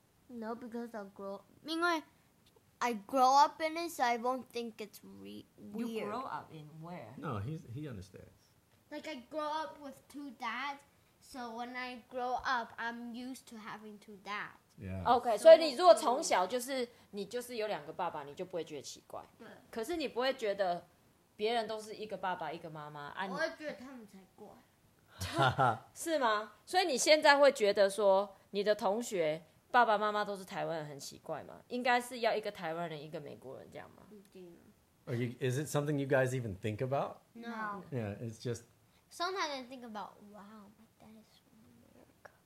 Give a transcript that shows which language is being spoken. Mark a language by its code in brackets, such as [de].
[en] No, because I'll grow up. [zh] 因为 [en] I grow up in it, so I won't think it's weird. You grow up in where? No, he understands. Like, I grow up with two dads, so when I grow up, I'm used to having two dads. Yeah. Okay, so, [zh] 所以你如果从小就是有两个爸爸，你就不会觉得奇怪。对。可是你不会觉得别人都是一个爸爸一个妈妈，啊，我会觉得他们才怪。是吗？所以你现在会觉得说你的同学爸爸妈妈都是台湾人很奇怪吗？应该是要一个台湾人一个美国人这样吗？ [en] Are you, is it something you guys even think about? No. Yeah, it's just... Sometimes I think about, wow, my dad is from America.